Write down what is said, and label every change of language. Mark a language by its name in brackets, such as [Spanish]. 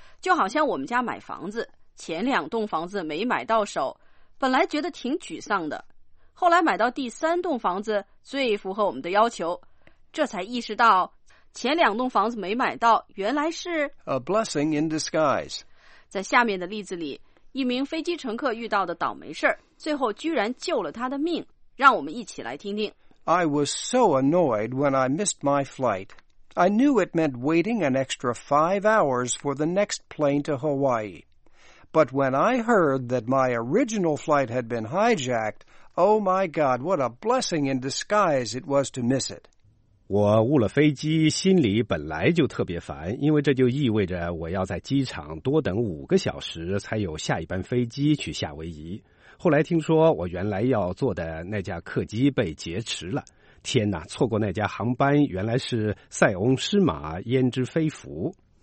[Chinese] 就好像我们家买房子，前两栋房子没买到手，本来觉得挺沮丧的，后来买到第三栋房子最符合我们的要求，这才意识到前两栋房子没买到，原来是 [English] A blessing in disguise。 [Chinese] 在下面的例子里一名飞机乘客遇到的倒霉事儿，最后居然救了他的命。让我们一起来听听。 [English] I was so annoyed when I missed my flight. I knew it meant waiting an extra 5 hours for the next plane to Hawaii. But when I heard that my original flight had been hijacked, oh my God, what a blessing in disguise it was to miss it. [Chinese] 我误了飞机，心里本来就特别烦，因为这就意味着我要在机场多等5个小时才有下一班飞机去夏威夷。后来听说我原来要坐的那架客机被劫持了，天哪，错过那架航班原来是塞翁失马焉知非福。